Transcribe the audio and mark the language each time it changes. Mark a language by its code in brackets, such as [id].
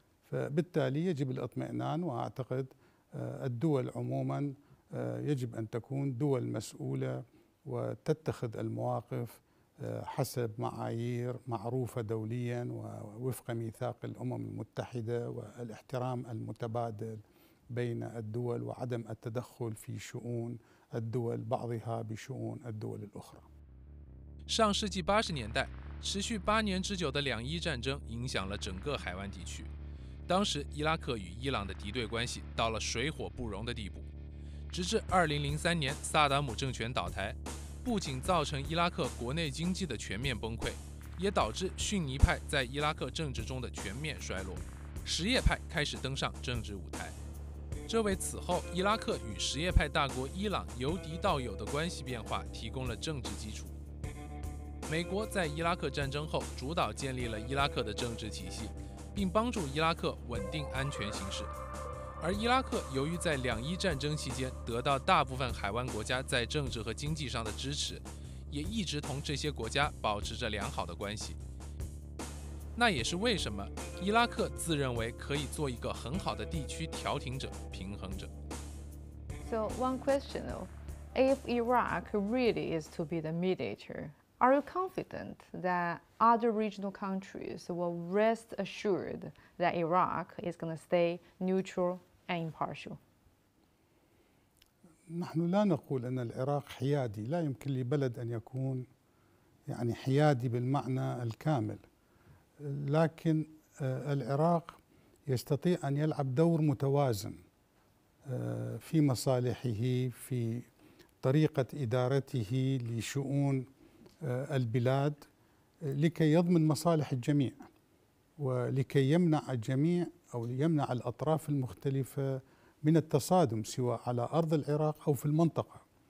[ar] فبالتالي يجب الاطمئنان، وأعتقد الدول عموما يجب أن تكون دول مسؤولة وتتخذ المواقف حسب معايير معروفة دوليا ووفق ميثاق الأمم المتحدة والاحترام المتبادل بين الدول وعدم التدخل في شؤون الدول بعضها بشؤون الدول الأخرى. [zh] 上世纪八十年代，持续八年之久的两伊战争影响了整个海湾地区。当时，伊拉克与伊朗的敌对关系到了水火不容的地步。直至2003年，萨达姆政权倒台，不仅造成伊拉克国内经济的全面崩溃，也导致逊尼派在伊拉克政治中的全面衰落，什叶派开始登上政治舞台。这为此后伊拉克与什叶派大国伊朗由敌到友的关系变化提供了政治基础。美国在伊拉克战争后主导建立了伊拉克的政治体系，并帮助伊拉克稳定安全形势。而伊拉克由于在两伊战争期间得到大部分海湾国家在政治和经济上的支持，也一直同这些国家保持着良好的关系。那也是为什么伊拉克自认为可以做一个很好的地区调停者、平衡者。 [en] So one question though, if Iraq really is to be the mediator, are you confident that other regional countries will rest assured that Iraq is going to stay neutral and impartial? [ar] نحن لا نقول أن العراق حيادي. لا يمكن لبلد أن يكون يعني حيادي بالمعنى الكامل. لكن العراق يستطيع أن يلعب دور متوازن في مصالحه، في طريقة إدارته لشؤون البلاد، لكي يضمن مصالح الجميع ولكي يمنع الجميع أو يمنع الأطراف المختلفة من التصادم سواء على أرض العراق أو في المنطقة.